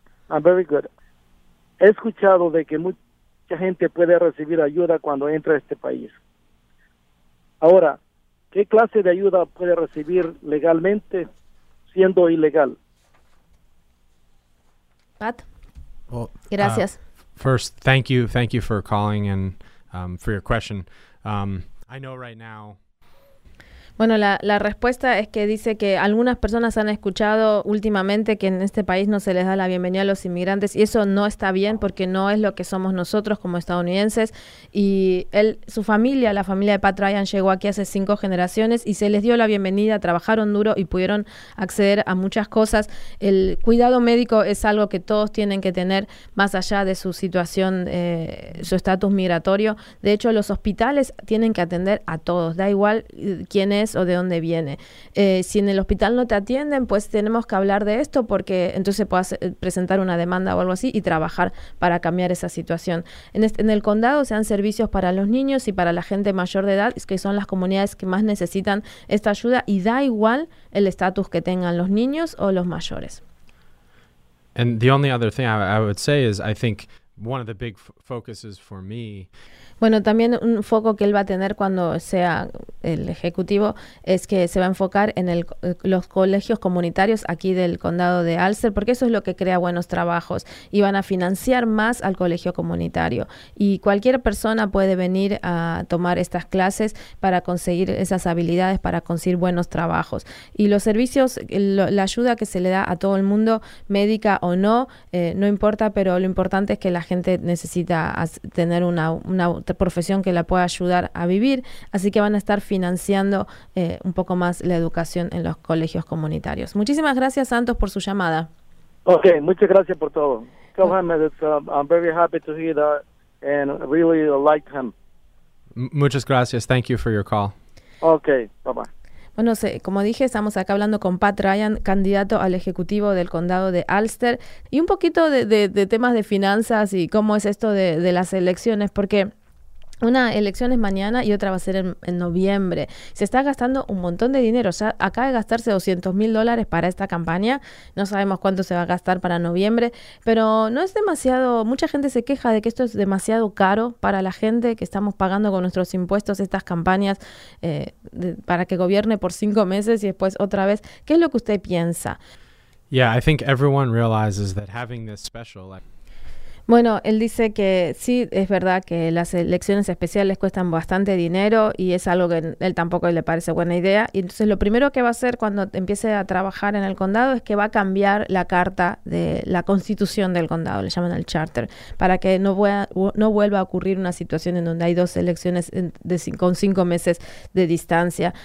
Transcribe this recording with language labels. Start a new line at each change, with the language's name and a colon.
English: I'm very good.
Spanish: He escuchado de que mucha gente puede recibir ayuda cuando entra a este país. Ahora, ¿qué clase de ayuda puede recibir legalmente siendo ilegal? Pat, gracias.
English: First, thank you for calling and for your question. I know right now.
Spanish: Bueno, la respuesta es que dice que algunas personas han escuchado últimamente que en este país no se les da la bienvenida a los inmigrantes, y eso no está bien porque no es lo que somos nosotros como estadounidenses. Y él, su familia, la familia de Pat Ryan, llegó aquí hace 5 generaciones y se les dio la bienvenida, trabajaron duro y pudieron acceder a muchas cosas. El cuidado médico es algo que todos tienen que tener más allá de su situación, su estatus migratorio. De hecho, los hospitales tienen que atender a todos, da igual quién es o de dónde viene. Si en el hospital no te atienden, pues tenemos que hablar de esto, porque entonces puedas presentar una demanda o algo así y trabajar para cambiar esa situación. En el condado se dan servicios para los niños y para la gente mayor de edad, que son las comunidades que más necesitan esta ayuda, y da igual el estatus que tengan los niños o los mayores.
English: And the only other thing I would say is I think one of the big focuses for me.
Spanish: Bueno, también un foco que él va a tener cuando sea el ejecutivo es que se va a enfocar en los colegios comunitarios aquí del condado de Alster, porque eso es lo que crea buenos trabajos, y van a financiar más al colegio comunitario. Y cualquier persona puede venir a tomar estas clases para conseguir esas habilidades, para conseguir buenos trabajos. Y los servicios, la ayuda que se le da a todo el mundo, médica o no, no importa, pero lo importante es que la gente necesita tener una profesión que la pueda ayudar a vivir, así que van a estar financiando un poco más la educación en los colegios comunitarios. Muchísimas gracias, Santos, por su llamada. Ok, muchas gracias por todo.
English: Tell him that I'm very happy to hear that and really like him.
Spanish: Muchas gracias.
English: Thank you for your call. Ok, bye-bye.
Spanish: Bueno, como dije, estamos acá hablando con Pat Ryan, candidato al ejecutivo del condado de Ulster, y un poquito de temas de finanzas y cómo es esto de las elecciones, porque una elección es mañana y otra va a ser en noviembre. Se está gastando un montón de dinero. O sea, acaba de gastarse $200,000 para esta campaña. No sabemos cuánto se va a gastar para noviembre, pero no es demasiado. Mucha gente se queja de que esto es demasiado caro para la gente que estamos pagando con nuestros impuestos estas campañas para que gobierne por 5 meses y después otra vez. ¿Qué es lo que usted piensa?
English: Yeah, I think everyone realizes that having this special.
Spanish: Bueno, él dice que sí, es verdad que las elecciones especiales cuestan bastante dinero y es algo que él tampoco le parece buena idea. Y entonces lo primero que va a hacer cuando empiece a trabajar en el condado es que va a cambiar la carta de la constitución del condado, le llaman el charter, para que no vuelva a ocurrir una situación en donde hay 2 elecciones con 5 meses de distancia.